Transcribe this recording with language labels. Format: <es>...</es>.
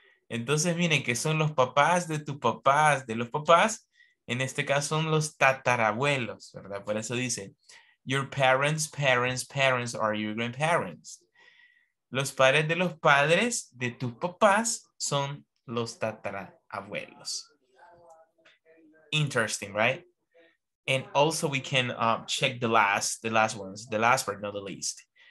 <es>Entonces miren que son los papás de tus papás, de los papás. En este caso son los tatarabuelos, ¿verdad? Por eso dice,</es> <en>your parents, parents, parents are your grandparents.</en> <es>Los padres de los padres de tus papás son los tatarabuelos.</es> <en>Interesting, right? And also we can check the last word, not the least.</en>